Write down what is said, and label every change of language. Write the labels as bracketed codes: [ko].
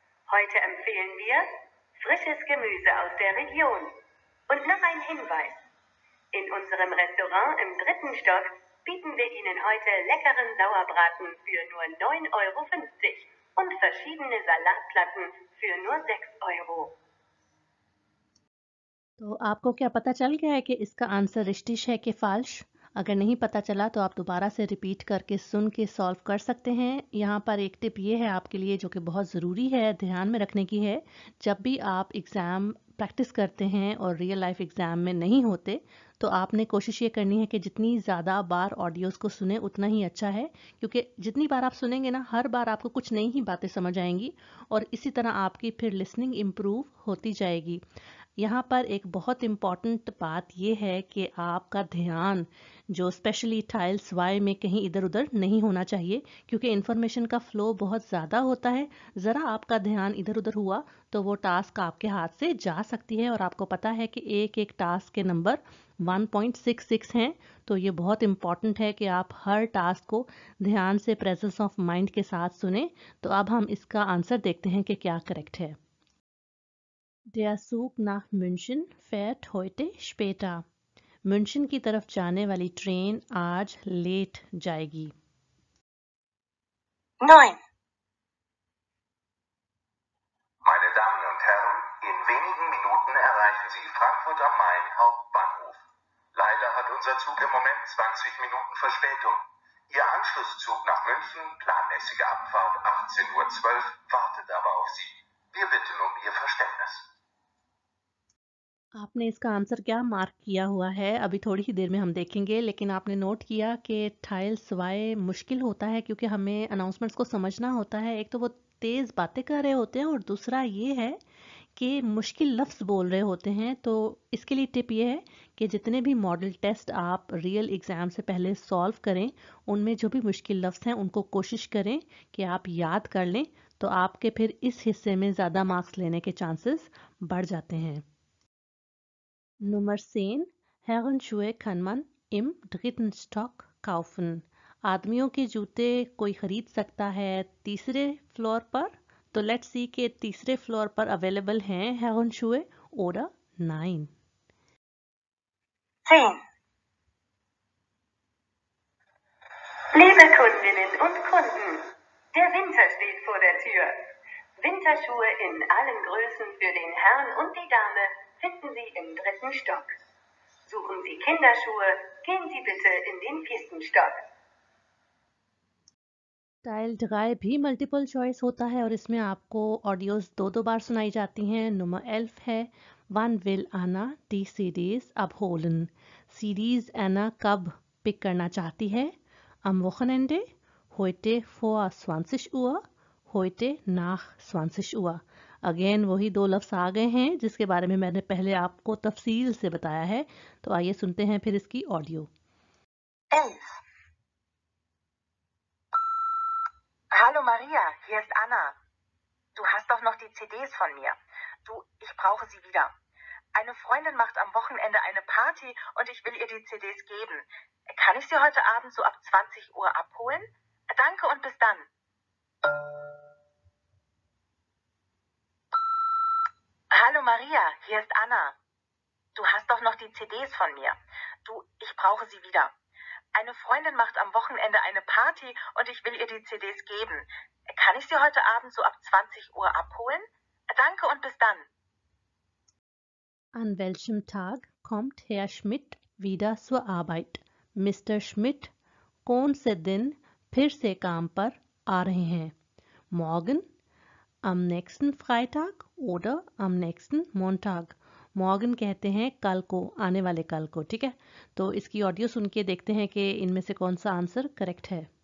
[de] Heute empfehlen wir frisches Gemüse aus der Region. Und noch ein Hinweis. In unserem Restaurant im dritten Stock bieten wir Ihnen heute leckeren Sauerbraten für nur 9,50 Euro und verschiedene Salatplatten für nur 6 Euro. [hi] तो आपको क्या पता चल गया है कि इसका answer रिश्टिश है कि फाल्श? अगर नहीं पता चला तो आप दोबारा से रिपीट करके सुन के सॉल्व कर सकते हैं. यहाँ पर एक टिप ये है आपके लिए जो कि बहुत ज़रूरी है ध्यान में रखने की है. जब भी आप एग्ज़ाम प्रैक्टिस करते हैं और रियल लाइफ एग्ज़ाम में नहीं होते तो आपने कोशिश ये करनी है कि जितनी ज़्यादा बार ऑडियोज़ को सुने उतना ही अच्छा है, क्योंकि जितनी बार आप सुनेंगे ना हर बार आपको कुछ नई ही बातें समझ आएंगी और इसी तरह आपकी फिर लिसनिंग इम्प्रूव होती जाएगी. यहाँ पर एक बहुत इम्पॉर्टेंट बात यह है कि आपका ध्यान जो स्पेशली टाइल्स वाई में कहीं इधर उधर नहीं होना चाहिए, क्योंकि इन्फॉर्मेशन का फ्लो बहुत ज़्यादा होता है. ज़रा आपका ध्यान इधर उधर हुआ तो वो टास्क आपके हाथ से जा सकती है. और आपको पता है कि एक एक टास्क के नंबर 1.66 हैं, तो ये बहुत इम्पॉर्टेंट है कि आप हर टास्क को ध्यान से प्रेजेंस ऑफ माइंड के साथ सुने. तो अब हम इसका आंसर देखते हैं कि क्या करेक्ट है. [de] Der Zug nach München fährt heute später. [hi] München की तरफ जाने वाली ट्रेन आज लेट जाएगी. 9. [de] Meine Damen und Herren, in wenigen Minuten erreichen Sie Frankfurt am Main Hauptbahnhof. Leider hat unser Zug im Moment 20 Minuten Verspätung. Ihr Anschlusszug nach München, planmäßige Abfahrt 18.12 Uhr, wartet aber auf Sie. Wir bitten um Ihr Verständnis. [hi] आपने इसका answer क्या mark किया हुआ है अभी थोड़ी ही देर में हम देखेंगे. लेकिन आपने नोट किया कि टाइल्स वाई मुश्किल होता है क्योंकि हमें अनाउंसमेंट्स को समझना होता है. एक तो वो तेज़ बातें कर रहे होते हैं और दूसरा ये है कि मुश्किल लफ्ज़ बोल रहे होते हैं. तो इसके लिए टिप ये है कि जितने भी मॉडल टेस्ट आप रियल एग्ज़ाम से पहले सॉल्व करें उनमें जो भी मुश्किल लफ्ज़ हैं उनको कोशिश करें कि आप याद कर लें, तो आपके फिर इस हिस्से में ज़्यादा मार्क्स लेने के चांसेस बढ़ जाते हैं. [de] Nummer 10. Herrenschuhe kann man im dritten Stock kaufen. [hi] आदमियों के जूते कोई खरीद सकता है तीसरे फ्लोर पर. तो लेट्स सी के तीसरे फ्लोर पर अवेलेबल हैं हेरनशुए और 9. 10. [de] Liebe Kundinnen und Kunden, der Winter steht vor der Tür. Winterschuhe in allen Größen für den Herrn und die Dame finden Sie im dritten Stock. Suchen Sie Kinderschuhe, gehen Sie bitte in den vierten Stock. [hi] Tile 3 भी multiple choice होता है और इसमें आपको audios दो दो बार सुनाई जाती हैं. नंबर 11 है, [de] वन विल आना डी सीरीज अब होलन. [hi] सीरीज एना कब पिक करना चाहती है? [de] अम वोखनेंडे, होयते फोर स्वांसिश उआ, होयते नाख स्वांसिश उआ. [hi] अगेन वही दो लफ्ज आ गए हैं जिसके बारे में मैंने पहले आपको तफसील से बताया है. तो आइए सुनते हैं फिर इसकी audio. [de] Hallo Maria, hier ist Anna. Du hast doch noch die CDs von mir. Du, ich brauche sie wieder. Eine Freundin macht am Wochenende eine Party und ich will ihr die CDs geben. Kann ich sie heute Abend so ab 20 Uhr abholen? Danke und bis dann. Hallo Maria, hier ist Anna. Du hast doch noch die CDs von mir. Du, ich brauche sie wieder. Eine Freundin macht am Wochenende eine Party und ich will ihr die CDs geben. Kann ich sie heute Abend so ab 20 Uhr abholen? Danke und bis dann. An welchem Tag kommt Herr Schmidt wieder zur Arbeit? Mr. [hi] Schmidt, kaun se din phir se kaam par aa rahe hain? [de] Morgen, am nächsten Freitag oder am nächsten Montag? [hi] Morgan कहते हैं कल को, आने वाले कल को. ठीक है, तो इसकी ऑडियो सुन के देखते हैं कि इनमें से कौन सा आंसर करेक्ट है.